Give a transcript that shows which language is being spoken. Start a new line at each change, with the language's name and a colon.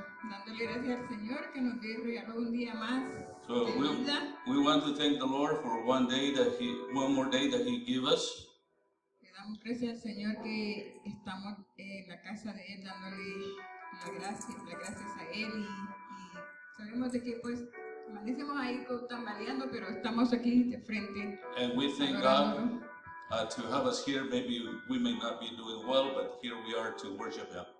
Spanish: Dándole gracias al Señor que nos dio regalo un día más. So de vida.
English: We want to thank the Lord for one day that he one more day that he gave us.
Spanish: Le damos gracias al Señor que estamos en la casa de él dándole las gracias a él y sabemos de que pues permanecemos ahí tambaleando pero estamos aquí de frente.
English: And we thank God to have us here. Maybe we may not be doing well, but here we are to worship him.